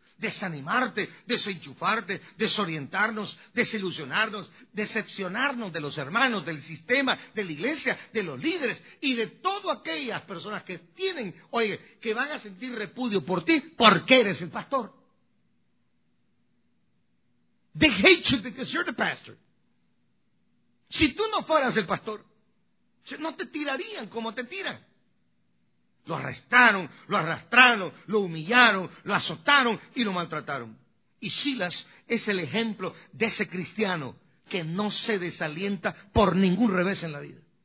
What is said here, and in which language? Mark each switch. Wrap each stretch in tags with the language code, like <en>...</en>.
<es>Desanimarte, desenchufarte, desorientarnos, desilusionarnos, decepcionarnos de los hermanos, del sistema, de la iglesia, de los líderes y de todas aquellas personas que tienen, oye, que van a sentir repudio por ti porque eres el pastor.</es> <en>They hate you because you're the pastor.</en> <es>Si tú no fueras el pastor, no te tirarían como te tiran. Lo arrestaron, lo arrastraron, lo humillaron, lo azotaron y lo maltrataron. Y Silas es el ejemplo de ese cristiano que no se desalienta por ningún revés en la vida.</es>